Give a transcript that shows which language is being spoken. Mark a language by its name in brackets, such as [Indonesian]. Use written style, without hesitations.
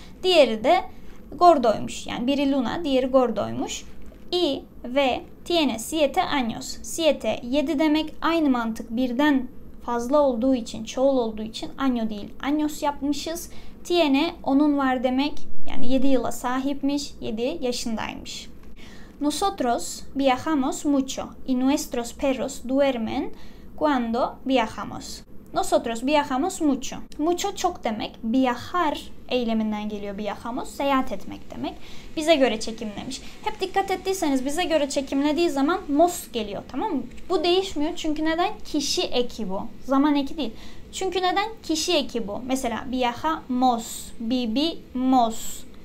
[Turkish] Diğeri de Gordo'ymuş. Yani biri Luna, diğeri Gordo'ymuş. I ve [Spanish] tiene siete años. [Turkish] Siete, yedi demek. Aynı mantık, birden fazla olduğu için, çoğul olduğu için año değil, años yapmışız. Tiene, onun var demek. Yani 7 yıla sahipmiş, 7 yaşındaymış. [Spanish] Nosotros viajamos mucho y nuestros perros duermen cuando viajamos. Nosotros viajamos mucho. [Turkish] Mucho çok demek. Viajar eyleminden geliyor viajamos. Seyahat etmek demek. Bize göre çekimlemiş. Hep dikkat ettiyseniz bize göre çekimlediği zaman mos geliyor, tamam mı? Bu değişmiyor çünkü neden? Kişi eki bu. Zaman eki değil. Çünkü neden? Kişi eki bu. Mesela viajamos, vivimos.